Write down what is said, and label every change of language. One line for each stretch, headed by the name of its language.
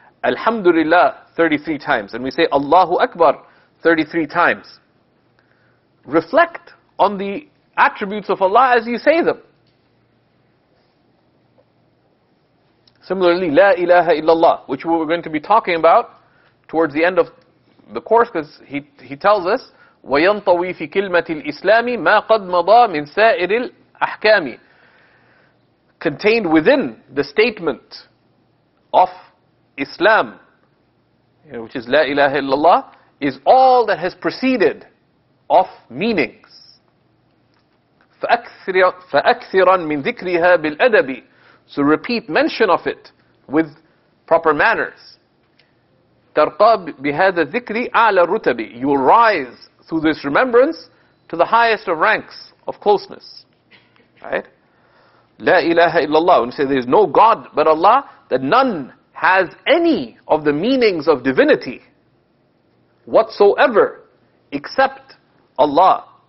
English: Alhamdulillah 33 times. And we say Allahu Akbar 33 times. Reflect on the attributes of Allah as you say them. Similarly, La ilaha illallah, which we're going to be talking about towards the end of the course, because he tells us,
Arabic: وَيَنْطَوِي فِي كِلْمَةِ الْإِسْلَامِ مَا قَدْ مَضَى مِنْ سَائِرِ الْأَحْكَامِ.
English: Contained within the statement of Islam, which is La ilaha illallah, is all that has preceded of meanings.
Arabic: فَأَكْثِرًا مِنْ ذِكْرِهَا بِالْأَدَبِ.
English: So repeat mention of it with proper manners.
Arabic: تَرْقَى بِهَذَا الذِّكْرِ أَعْلَى الرُّتَبِ.
English: You will rise through this remembrance to the highest of ranks of closeness. Right? La ilaha illallah. When you say there is no God but Allah, that none has any of the meanings of divinity whatsoever except Allah.